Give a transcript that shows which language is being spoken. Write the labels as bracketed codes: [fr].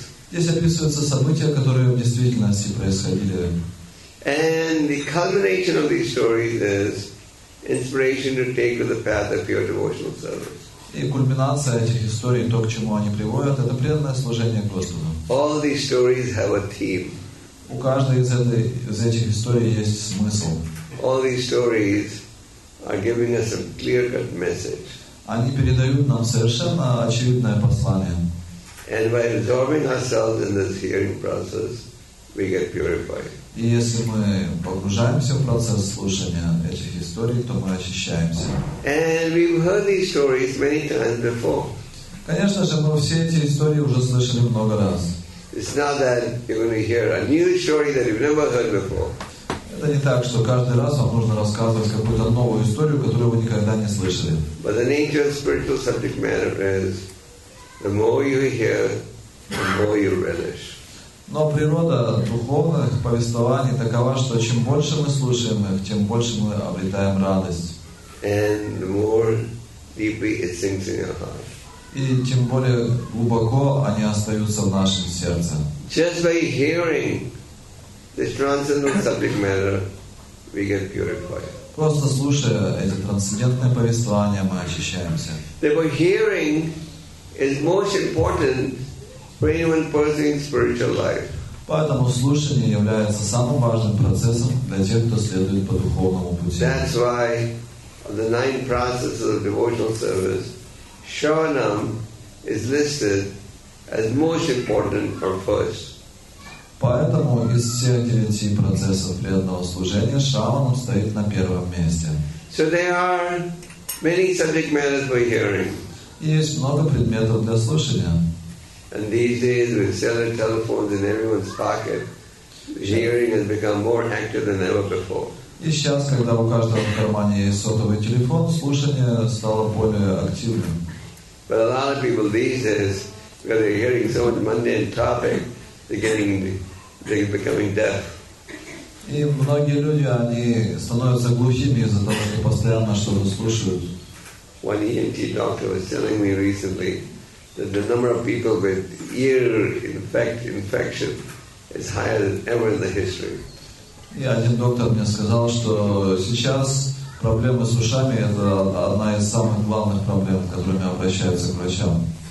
[ru] Здесь описываются события, которые в действительности происходили. [en] And the culmination of these stories is inspiration to take to the path of pure devotional service. [ru] И кульминация этих историй, то, к чему они приводят, это преданное служение Господу. [en] All these stories have a theme. [ru] У каждой из этих историй есть смысл. [en] All these stories are giving us a clear-cut message. [ru] Они передают нам совершенно очевидное послание. [en] And by absorbing ourselves in this hearing process, we get purified. [ru] И если мы погружаемся в процесс слушания этих историй, то мы очищаемся. [en] And we've heard these stories many times before. [ru] Конечно же, мы все эти истории уже слышали много раз. [en] It's not that you're going to hear a new story that you've never heard before. [ru] Это не так, что каждый раз вам нужно рассказывать какую-то новую историю, которую вы никогда не слышали. [en] But the nature of spiritual subject matter is the more you hear, the more you relish. [ru] Но природа духовных повествований такова, что чем больше мы слушаем их, тем больше мы обретаем радость. [en] And the more deeply it sinks in your heart. [ru] И тем более глубоко они остаются в нашем сердце. [en] Just by hearing this transcendental subject matter, we get purified. [ru] Просто слушая эти трансцендентные повествования, мы очищаемся. [en] Therefore, hearing is most important for anyone pursuing spiritual life. [ru] Поэтому слушание является самым важным процессом для тех, кто следует по духовному пути. [en] That's why the nine processes of devotional service. Shravanam is listed as most important or first. [ru] Поэтому из всех девяти процессов преданного служения Шраванам стоит на первом месте. [en] So there are many subject matters for hearing. [ru] Есть много предметов для слушания. [en] And these days with cellular telephones in everyone's pocket, hearing has become more active than ever before. [ru] И сейчас, когда у каждого в кармане есть сотовый телефон, слушание стало более активным. [en] But a lot of people these days, because they're hearing so much mundane topic, they're becoming deaf. [ru] И многие люди, они становятся глухими из-за того, что постоянно что-то слушают. [en] One ENT doctor was telling me recently that the number of people with ear infection is higher than ever in the history. [ru] И один доктор мне сказал, что сейчас проблемы с ушами – это одна из самых главных проблем, с которыми обращаются к врачам.